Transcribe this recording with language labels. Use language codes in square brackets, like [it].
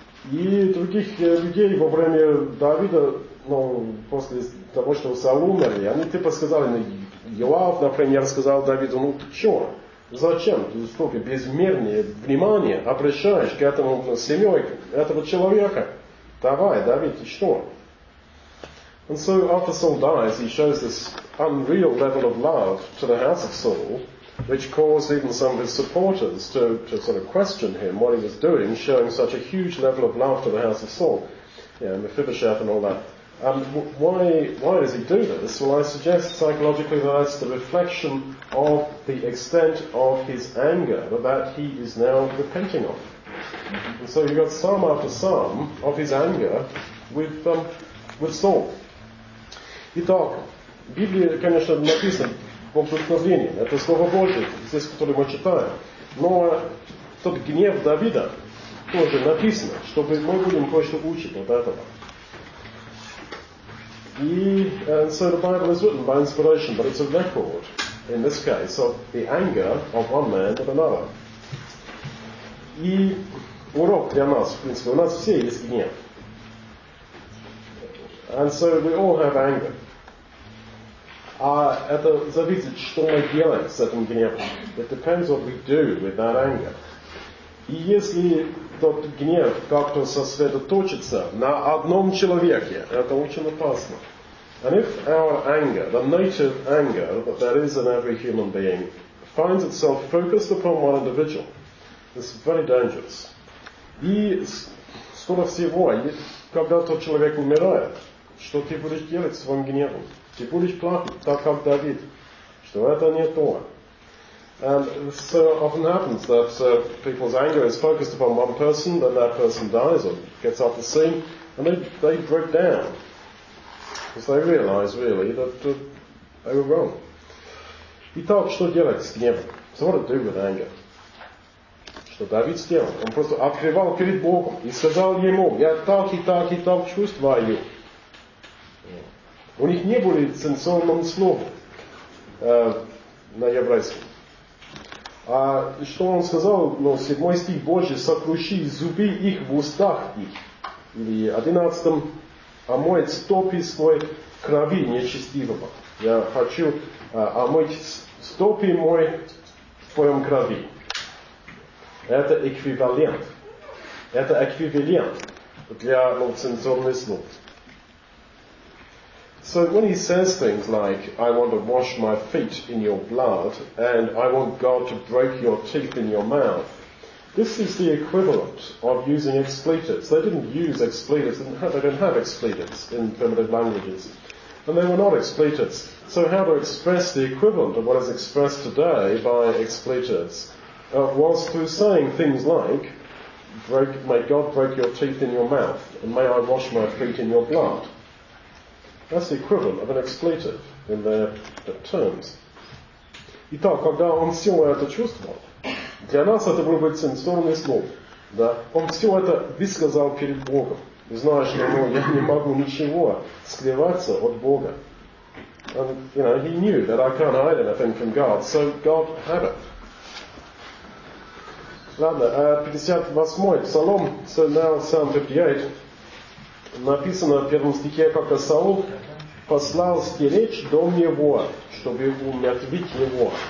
[ru] И других людей во время Давида, ну, после того, что Саул умер, они типа сказали, Йоав, например, сказал Давиду, ну ты чё, зачем ты столько безмерное внимание обращаешь к этому семье, к этому человеку? Давай, Давид, и что? [en] And so after Saul dies, he shows this unreal level of love to the house of Saul, which caused even some of his supporters to sort of question him, what he was doing, showing such a huge level of love to the house of Saul. Yeah, Mephibosheth and all that. Why does he do this? Well, I suggest psychologically that it's the reflection of the extent of his anger that he is now repenting of. And so you've got psalm after psalm of his anger with Saul. [ru] Итак, в Библии, конечно, написано Бог вдохновением, это Слово Божие, здесь, которое мы читаем. Но тот гнев Давида тоже написано, чтобы мы будем кое-что учить от этого. [en] And so the Bible is written by inspiration, but it's a record, in this case, of the anger of one man at another. [ru] И урок для нас, в принципе, у нас все есть гнев. [en] And so we all have anger. [ru] А это зависит, что мы делаем с этим гневом. [en] It depends what we do with that anger. [ru] И если тот гнев как-то сосредоточится на одном человеке, это очень опасно. [en] And if our anger, the native anger that there is in every human being, finds itself focused upon one individual, it's very dangerous. [ru] И скоро всего, когда тот человек умирает, что ты будешь делать с своим гневом? Ты будешь плакать, так как Давид, что это не то. [en] And so often happens that people's anger is focused upon one person, then that person dies or gets off the scene, and they break down. Because they realize, really, that they were wrong. [ru] Итак, что делать с гневом? [en] So what to do with anger? [ru] Что Давид сделал? Он просто открывал перед Богом и сказал ему, я так и так и так чувствую. У них не было цензурного слова на еврейском. А что он сказал? Ну, 7 стих, Божий, сокруши зубы их в устах их. Или 11, омоет стопы свой крови нечестивого. Я хочу омыть стопы мой в твоем крови. Это эквивалент. Это эквивалент для цензурных слов. [en] So when he says things like, I want to wash my feet in your blood, and I want God to break your teeth in your mouth, this is the equivalent of using expletives. They didn't use expletives, they didn't have expletives in primitive languages. And they were not expletives. So how to express the equivalent of what is expressed today by expletives was through saying things like, may God break your teeth in your mouth, and may I wash my feet in your blood. That's the equivalent of an expletive in their terms. [ru] Итак, когда он все это чувствовал, для нас это было бы цензурное слово. Да? Он все это высказал перед Богом. И знаешь, ну, я не могу ничего скрываться от Бога. [en] And, you know, he knew that I can't hide anything from God, so God had it. [ru] Ладно, 58-й псалом, [en] so now Psalm 58, [ru] написано в первом стихе, как Саул послал стеречь дом его, чтобы умертвить его.